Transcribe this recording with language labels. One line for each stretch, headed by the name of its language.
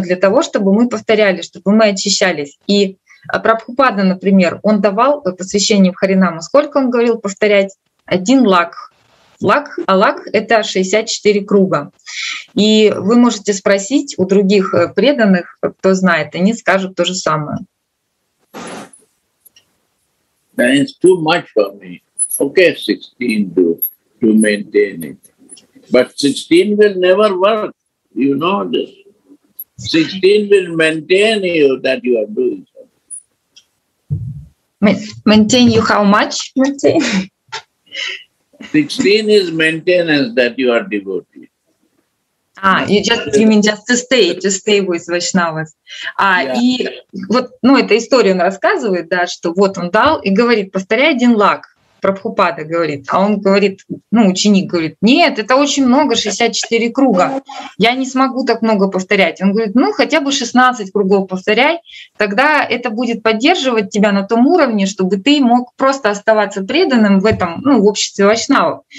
Russian: Для того, чтобы мы повторяли, чтобы мы очищались. И Прабхупада, например, он давал посвящение в Харинаму. Сколько он говорил повторять? 1 лакх. Лакх, а лакх — это 64 круга. И вы можете спросить у других преданных, кто знает, они скажут то же самое.
English: That is too much for me. Okay, 16 do to maintain it. But 16 will never work. You know this. 16 will maintain you that you are doing something. Maintain you how much? 16 is maintenance that you are devoted. Ah, you mean just to stay with Vaishnavas.
Russian: И вот, ну, эта история он рассказывает, да, что вот он дал и говорит, повторяй один лак. Прабхупада говорит, а он говорит, ну, ученик говорит, нет, это очень много, 64 круга, я не смогу так много повторять. Он говорит, ну, хотя бы 16 кругов повторяй, тогда это будет поддерживать тебя на том уровне, чтобы ты мог просто оставаться преданным в этом, ну, в обществе вайшнавов.